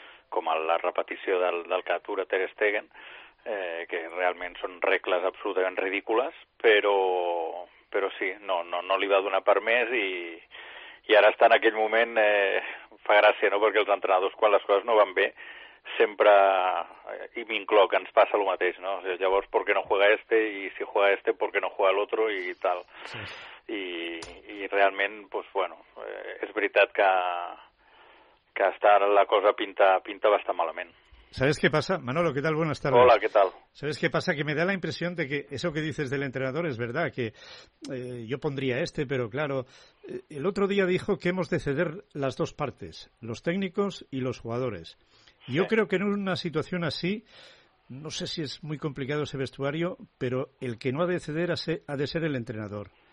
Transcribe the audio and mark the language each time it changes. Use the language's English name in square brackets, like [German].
[Catalan] com a la repetició del que atura Ter Stegen, que realment són regles absolutament ridícules, però sí, no li va donar per més i ara està en aquell moment, fa gràcia, no?, perquè els entrenadors, quan les coses no van bé, sempre, i m'incloc, que ens passa el mateix, no? O sigui, llavors, [Spanish] ¿por qué no juega este? Y si juega este, ¿por qué no juega el otro? [Catalan] I tal. Sí. I realment, pues, bueno, és veritat que està ara la cosa pinta bastant malament. [Spanish] ¿Sabes qué pasa? Manolo, ¿qué tal? Buenas tardes. Hola, ¿qué tal? ¿Sabes qué pasa? Que me da la impresión de que eso que dices del entrenador es verdad, que yo pondría este, pero claro, el otro día dijo que hemos de ceder las dos partes, los técnicos y los jugadores. Yo creo que en una situación así, no sé si es muy complicado ese vestuario, pero el que no ha de ceder ha de ser el entrenador.